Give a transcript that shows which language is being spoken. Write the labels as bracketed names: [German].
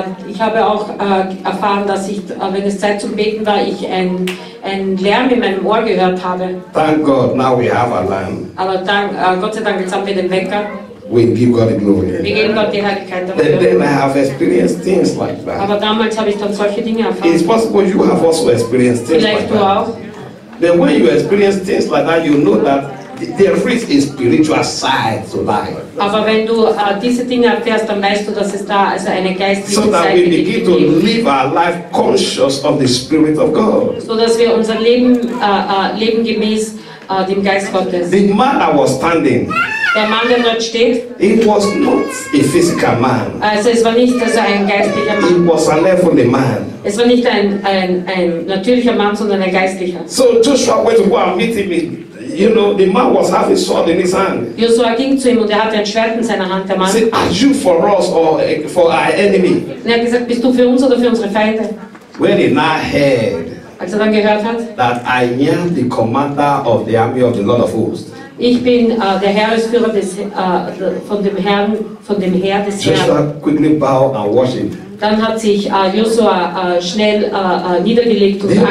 [German] Ich habe auch erfahren, dass ich, wenn es Zeit zum Beten war, ich ein Lärm in meinem Ohr gehört habe. [English] Thank God, now we have a lamp. [German] Aber Gott sei Dank, jetzt haben wir den Wecker. [English] We give God the glory. [German] Wir geben Gott die Herrlichkeit. [English] Then I have experienced things like that. [German] Aber damals habe ich dann solche Dinge erfahren. [English] It's possible you have also experienced things [German] vielleicht du [English] that. [German] Auch. [English] Then when you experience things like that, you know that there is a spiritual side to life. [German] Aber wenn du diese Dinge erfährst, dann weißt du, dass es da also eine geistliche Seite gibt. [English] So that we begin to live our life conscious of the Spirit of God. [German] So dass wir unser Leben leben gemäß dem Geist Gottes. [English] The man that was standing. [German] Der Mann, der dort steht. [English] It was not a physical man. [German] Also es war nicht also ein geistlicher Mann. [English] It was a heavenly man. [German] Es war nicht ein natürlicher Mann, sondern ein geistlicher. [English] So Joshua went to go and meet him. You know, the man was half his sword in his hand. [German] Joshua ging zu ihm und hatte ein Schwert in seiner Hand, der Mann. [English] He said, are you for us or for our enemy? [German] Er hat gesagt, bist du für uns oder für unsere Feinde? [English] When he now heard, [German] als er dann gehört hat, [English] that I am the commander of the army of the Lord of hosts. [German] Ich bin der Heeresführer des von dem Herrn, von dem Heer des Joshua Herrn. [English] Joshua quickly bowed and worshipped. [German] Dann hat sich Joshua schnell niedergelegt und angebetet.